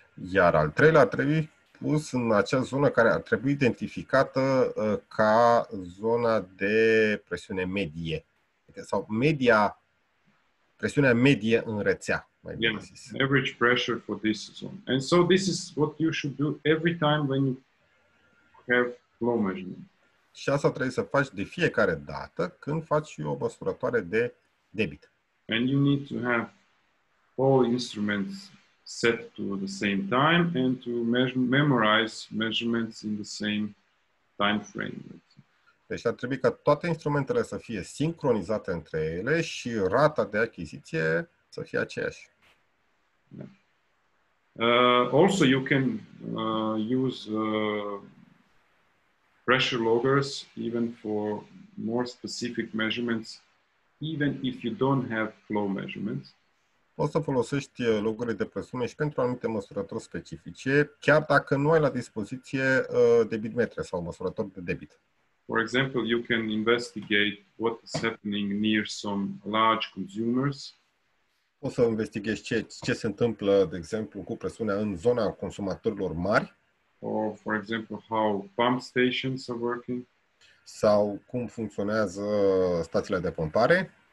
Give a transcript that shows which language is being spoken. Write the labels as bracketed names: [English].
[Romanian] Iar al treilea ar trebui pus în acea zonă care ar trebui identificată ca zona de presiune medie. Sau media, presiunea medie în rețea, mai bine zis. [English] Yeah, average pressure for this zone. And so this is what you should do every time when you have flow measurement. [Romanian] Și asta trebuie să faci de fiecare dată când faci o măsurătoare de debit. [English] And you need to have all instruments set to the same time and to memorize measurements in the same time frame. [Romanian] Deci ar trebui ca toate instrumentele să fie sincronizate între ele și rata de achiziție să fie aceeași. [English] Also you can use pressure loggers even for more specific measurements even if you don't have flow measurements. [Romanian] Poți să folosești loguri de presiune și pentru anumite măsurători specifice, chiar dacă nu ai la dispoziție debitmetre sau măsurători de debit. [English] For example, you can investigate what is happening near some large consumers. [Romanian] Poți să investighezi ce se întâmplă, de exemplu, cu presiunea în zona consumatorilor mari. [English] Or, for example, how pump stations are working. [Romanian] Sau cum funcționează stațiile de pompare.